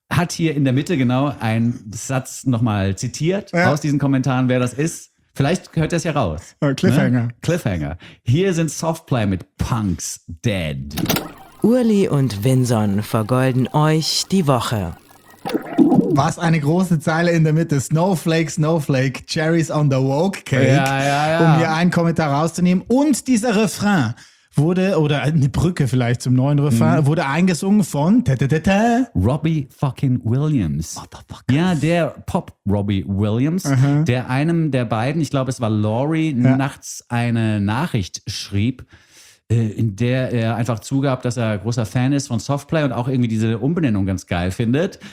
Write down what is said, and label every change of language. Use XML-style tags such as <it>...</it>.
<de>Hat hier in der Mitte genau einen Satz nochmal zitiert aus diesen Kommentaren, wer das ist. Vielleicht hört er es ja raus. Cliffhanger. Ne? Cliffhanger. Hier sind Softplay mit Punks Dead. Urli und Vinson vergolden euch die Woche. Was eine große Zeile in der Mitte.</de> <en>Snowflake, Snowflake, cherries on the woke cake.</en> <de>Ja, ja, ja. Um hier einen Kommentar rauszunehmen. Und dieser Refrain wurde, oder eine Brücke vielleicht zum neuen Refrain, wurde eingesungen von Robbie fucking Williams.</de> <en>Motherfucker.</en> <de>Ja, der Pop-Robbie Williams, der einem der beiden, ich glaube es war Laurie, nachts eine Nachricht schrieb, in der er einfach zugab, dass er großer Fan ist von Softplay und auch irgendwie diese Umbenennung ganz geil findet.</de>